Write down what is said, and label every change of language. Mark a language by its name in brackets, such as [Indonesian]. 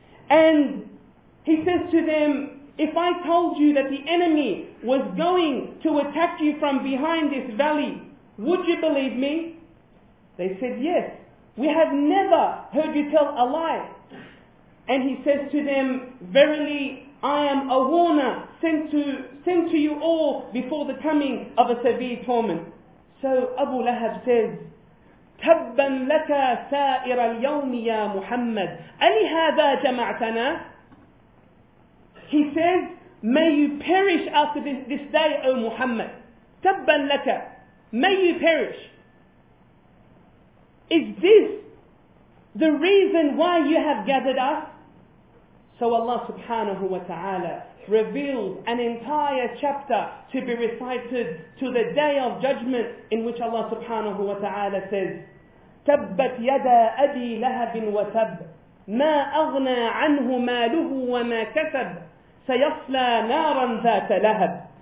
[English] And he says to them, if I told you that the enemy was going to attack you from behind this valley, would you believe me? They said, yes, we have never heard you tell a lie. And he says to them, verily, I am a warner sent to you all before the coming of a severe torment. So Abu Lahab says, [Arabic] تَبَّنْ لَكَ سَائِرَ الْيَوْمِ يَا مُحَمَّدٍ أَلِهَذَا جَمَعْتَنَا. [English] He says, may you perish after this day, O Muhammad. [Arabic] تَبَّنْ لَكَ. [English] May you perish. Is this the reason why you have gathered us? So Allah subhanahu wa ta'ala reveals an entire chapter to be recited to the day of judgment, in which Allah subhanahu wa ta'ala says, [Arabic] تَبَّتْ يَدَا أَبِي لَهَبٍ وَتَبٍ مَا أَغْنَى عَنْهُ مَالُهُ وَمَا كَسَبْ سَيَصْلَى نَارًا ذَاتَ لَهَبٍ.